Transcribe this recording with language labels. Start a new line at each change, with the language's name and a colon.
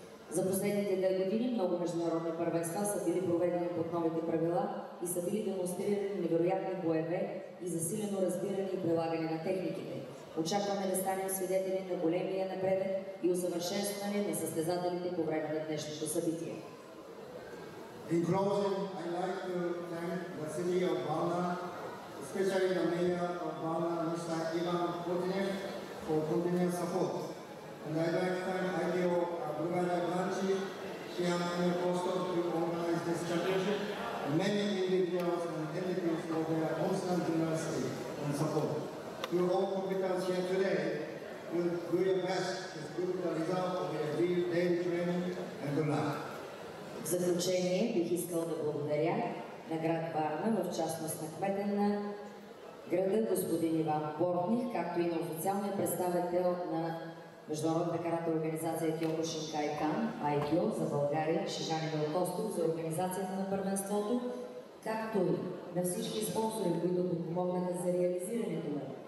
Bulgarian: За последните 2 години много международни първенства са били проведени под новите правила и са били демонстрирани невероятни боеве и засилено разбиране и прилагане на техниките. Очакваме да станем свидетели на големия напредък и усъвършенстване на състезателите по време на днешното събитие.
English: In closing, I'd like to thank City of Varna, especially the mayor of Varna, Mr. Ivan Putinev, for continued support. And I'd like to thank IDO Brugada Branchi, Chiam Air Postal, to organize this championship, and many individuals and entities for their constant generosity and support. To all competitors here today, we'll do your best to improve the result of your daily training and good luck.
Bulgarian: В заключение бих искал да благодаря на град Варна, в частност на кмета на града господин Иван Портних, както и на официалния представител на Международната карате организация Тьоко Шинкай Кан, IKO за България, Шижани Белтостов за организацията на първенството, както и на всички спонсори, които подпомогнаха за реализирането му.